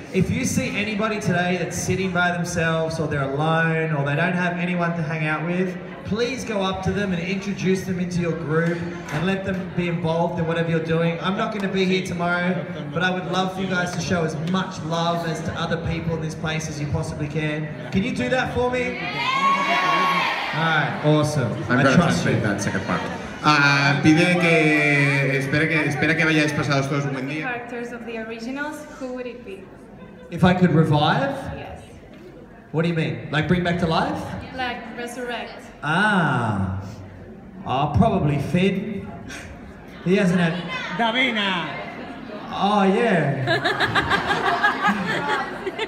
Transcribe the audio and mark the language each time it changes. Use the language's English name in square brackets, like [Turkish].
[English] If you see anybody today that's sitting by themselves or they're alone or they don't have anyone to hang out with, please go up to them and introduce them into your group and let them be involved in whatever you're doing. I'm not going to be here tomorrow, but I would love for you guys to show as much love as to other people in this place as you possibly can. Can you do that for me? Yeah. awesome. I'm going to translate that second part. [Spanish] Pide que espera que vayáis pasados todos un buen día. [English] The characters of the originals, who would it be? If I could revive? Yes. What do you mean? Like bring back to life? Like resurrect. Ah. Oh, probably Finn. He hasn't had... Davina! Oh, yeah.